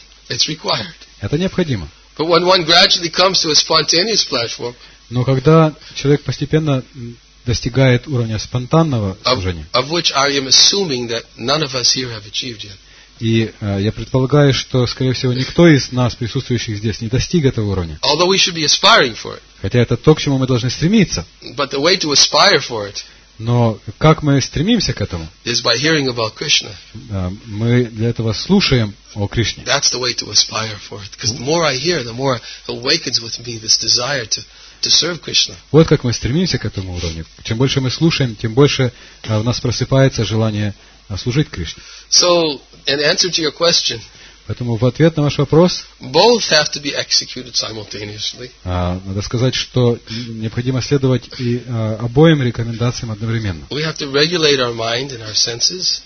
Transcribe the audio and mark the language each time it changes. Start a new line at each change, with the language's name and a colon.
Russian: Это необходимо. Но когда человек постепенно достигает уровня спонтанного служения, и я предполагаю, что, скорее всего, никто из нас, присутствующих здесь, не достиг этого уровня.
English: Although we should be aspiring for it.
Russian: Хотя это то, к чему мы должны стремиться.
English: But the way to aspire for it.
Russian: Но как мы стремимся к этому?
English: Is by hearing about Krishna.
Russian: Мы для этого слушаем о Кришне.
English: That's the way to aspire for it. Because the more I hear, the more awakens with me this desire to serve Krishna.
Russian: Вот как мы стремимся к этому уровню. Чем больше мы слушаем, тем больше в нас просыпается желание служить Кришне.
English: So, in answer to your question,
Russian: поэтому в ответ на ваш вопрос,
English: both have to be executed simultaneously.
Russian: Надо сказать, что необходимо следовать и обоим рекомендациям одновременно.
English: We have to regulate our mind and our senses.